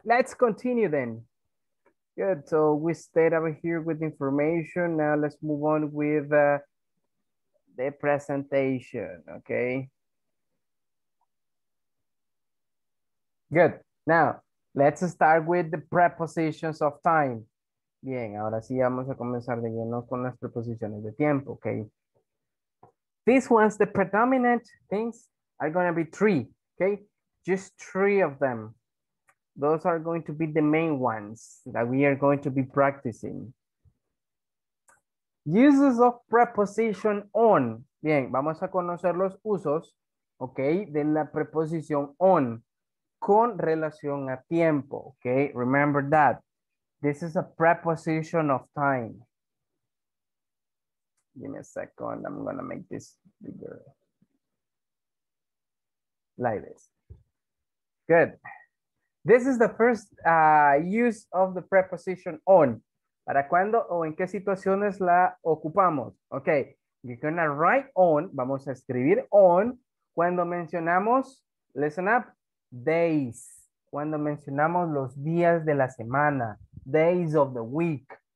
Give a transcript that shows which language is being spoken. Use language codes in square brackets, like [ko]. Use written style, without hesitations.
[en] Let's continue then. Good. So we stayed over here with information. Now let's move on with the presentation. Okay. Good. Now let's start with the prepositions of time. [es] Bien, ahora sí vamos a comenzar de lleno con las preposiciones de tiempo. Okay. [en] These ones, the predominant things are going to be three, okay? Just three of them. Those are going to be the main ones that we are going to be practicing. Uses of preposition on. [es] Bien, vamos a conocer los usos, okay, de la preposición on con relación a tiempo, okay? [en] Remember that. This is a preposition of time. Give me a second, I'm gonna make this bigger. Like this. Good. This is the first use of the preposition on. [es] ¿Para cuándo o en qué situaciones la ocupamos? [en] Okay, you're gonna write on, [es] vamos a escribir on, cuando mencionamos, [en] listen up, days. [es] Cuando mencionamos los días de la semana, [en] days of the week.